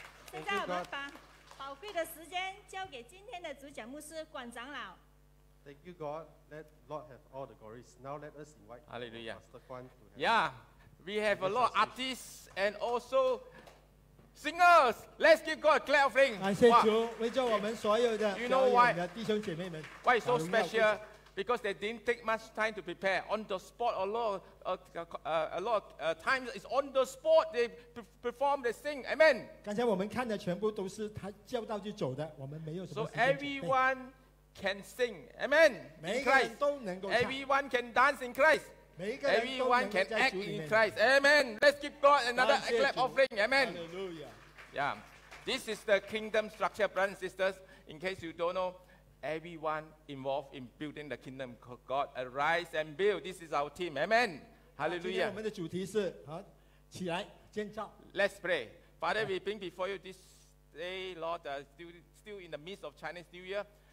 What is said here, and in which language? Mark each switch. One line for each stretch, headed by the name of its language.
Chinese: 现在我们把宝贵的时间交给今天的主讲牧师管长老。
English: Thank you, God. Let Lord have all the glories. Now let us invite Hallelujah. Pastor Kwan to have. Yeah, we have a lot of artists and also singers. Let's give God a clap offering.
Chinese: 感谢主，为着我们所有的表演的弟兄姐妹们。
English: Why so special? Because they didn't take much time to prepare on the spot. A lot of times is on the spot they perform, they sing. Amen.
Chinese: 刚才我们看的全部都是他叫到就走的，我们没有什么时间准备。
English: So everyone can sing. Amen. In Christ.
Chinese: 每一个人都能够唱。
English: Everyone can dance in Christ.
Chinese: 每一个人都能够在主里面。
English: Everyone can act in Christ. Amen. Let's give God another clap offering. Amen. Hallelujah. Yeah. This is the kingdom structure, brothers and sisters. In case you don't know. Everyone involved in building the kingdom of God, arise and build. This is our team. Amen. Hallelujah.
Chinese: 我们的主题是起来建造。
English: Let's pray. Father, we bring before you this day, Lord, still in the midst of Chinese New Year.